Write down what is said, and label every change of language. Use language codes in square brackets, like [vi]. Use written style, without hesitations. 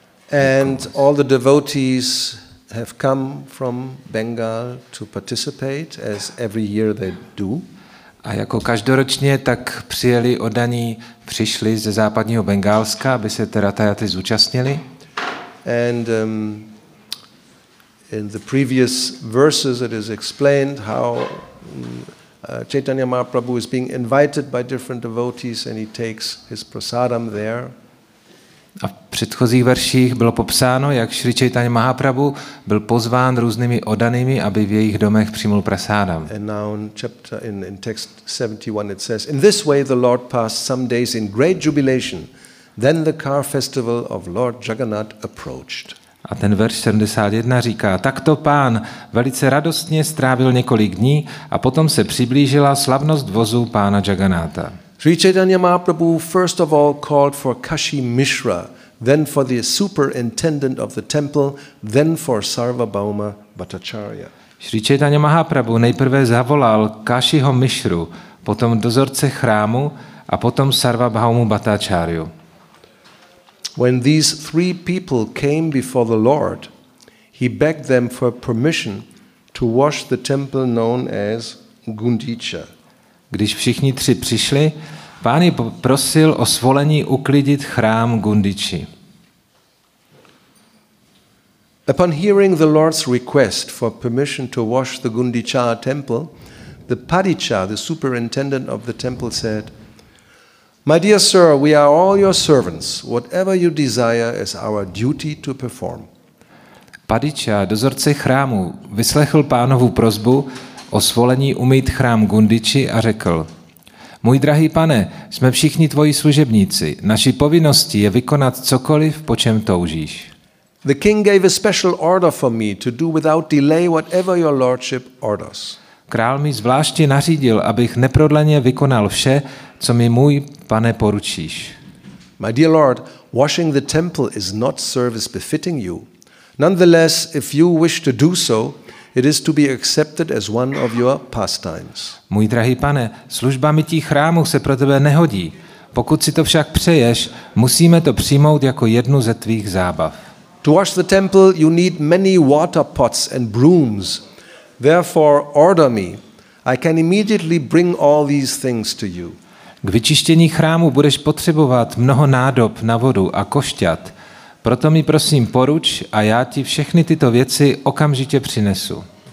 [en] And all the devotees have come from Bengal to participate, as every year they do. [cs] A jako každoročně, tak přijeli oddaní, přišli ze západního Bengálska, aby se té Ratha Yatry zúčastnili. [en] And in the previous verses it is explained how Chaitanya Mahaprabhu is being invited by different devotees and he takes his prasadam there. [cs] A v předchozích verších bylo popsáno, jak Sri Chaitanya Mahaprabhu byl pozván různými oddanými, aby v jejich domech přijmul prasádam. [en] And now in chapter in text 71 it says, in this way the Lord passed some days in great jubilation. Then the car festival of Lord Jagannath approached. [cs] A ten verš 71 říká, takto pán velice radostně strávil několik dní a potom se přiblížila slavnost vozu pána Jagannatha. [en] Sri Chaitanya Mahaprabhu first of all called for Kashi Mishra, then for the superintendent of the temple, then for Sarvabhauma Bhattacharya. [cs] Sri Chaitanya Mahaprabhu nejprve zavolal Kashiho Mishru, potom dozorce chrámu a potom Sarvabhaumu Bhattacharyu. [en] When these three people came before the Lord, he begged them for permission to wash the temple known as Gundicha. [cs] Když všichni tři přišli, pán je prosil o svolení uklidit chrám Gundichi. [en] Upon hearing the Lord's request for permission to wash the Gundicha temple, the Padicha, the superintendent of the temple, said, "My dear sir, we are all your servants. Whatever you desire is our duty to perform." [cs] Padicha, dozorce chrámu, vyslechl pánovu prosbu o svolení umýt chrám Gundichi a řekl, můj drahý pane, jsme všichni tvoji služebníci, naší povinností je vykonat cokoliv, po čem toužíš. [en] The king gave a special order for me to do without delay whatever your lordship orders. [cs] Král mi zvláště nařídil, abych neprodleně vykonal vše, co mi můj pane poručíš. [en] My dear lord, washing the temple is not service befitting you. Nonetheless, if you wish to do so, it is to be accepted as one of your pastimes. [cs] Můj drahý pane, služba mytí chrámu se pro tebe nehodí. Pokud si to však přeješ, musíme to přijmout jako jednu ze tvých zábav. [en] To wash the temple, you need many water pots and brooms. Therefore, order me. I can immediately bring all these things to you. [cs] K vyčištění chrámu budeš potřebovat mnoho nádob na vodu a košťat. Proto mi prosím poruč a já ti všechny tyto věci okamžitě přinesu.